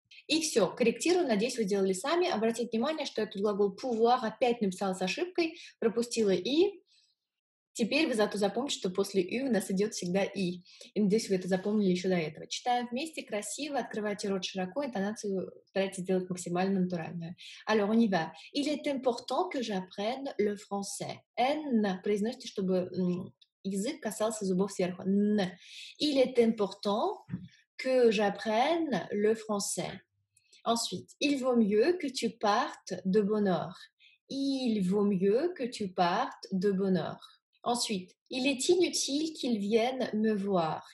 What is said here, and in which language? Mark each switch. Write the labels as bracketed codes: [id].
[ru] И все, корректирую, надеюсь, вы сделали сами. Обратите внимание, что этот глагол pouvoir опять написала с ошибкой, пропустила и. Теперь вы зато запомните, что после «ю» у нас идет всегда «и». И надеюсь, вы это запомнили еще до этого. Читаем вместе, красиво, открывайте рот широко, интонацию старайтесь сделать максимально натуральную. [fr] Alors, on y va. Il est important que j'apprenne le français. [ru] «Н» произносите, чтобы язык касался зубов сверху. «Н». [fr] Il est important que j'apprenne le français. Ensuite, il vaut mieux que tu partes de bonne heure. Il vaut mieux que tu partes de bonne heure. Ensuite, il est inutile qu'il vienne me voir.